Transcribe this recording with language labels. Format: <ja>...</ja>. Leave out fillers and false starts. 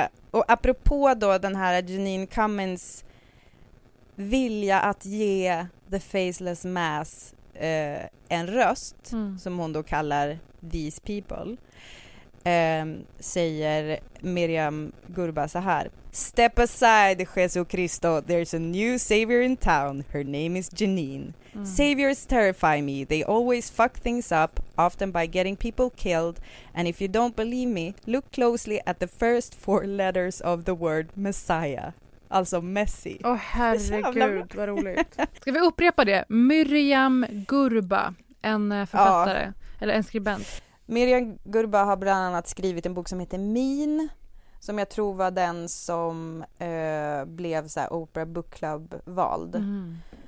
<sv>Och apropå då den här Janine Cummins vilja att ge The Faceless Mass en röst, som hon då kallar These People, säger Miriam Gurba så här:</sv> <en>Step aside, Jesus Christo. There's a new savior in town. Her name is Janine. Mm. Saviors terrify me. They always fuck things up, often by getting people killed. And if you don't believe me, look closely at the first four letters of the word Messiah.</en> <sv>Alltså Messi. Åh, oh, herregud, vad roligt. Ska vi upprepa det? Miriam Gurba, en författare. Ja. Eller en skribent. Miriam Gurba har bland annat skrivit en bok som heter Min, som jag tror var den som blev så här Oprah Book Club-vald. Mm.</sv>